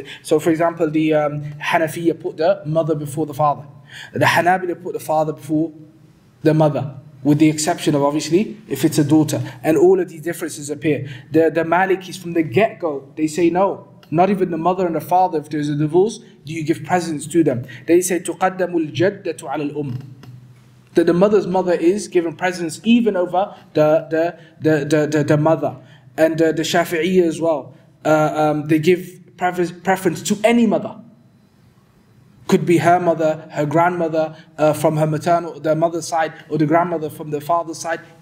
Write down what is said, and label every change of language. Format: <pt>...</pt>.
<en>So for example, the Hanafiya put the mother before the father. The Hanabila put the father before the mother, with the exception of, obviously, if it's a daughter. And all of these differences appear. The Malikis, from the get-go, they say no. Not even the mother and the father, if there's a divorce, do you give presence to them.</en> <ar>They say, تُقَدَّمُ الْجَدَّةُ عَلَى الْأُمْ.</ar> <en>That the mother's mother is given presence even over the mother. And the Shafi'i as well. They give preference to any mother. Could be her mother, her grandmother, from her maternal, the mother's side, or the grandmother from the father's side.</en>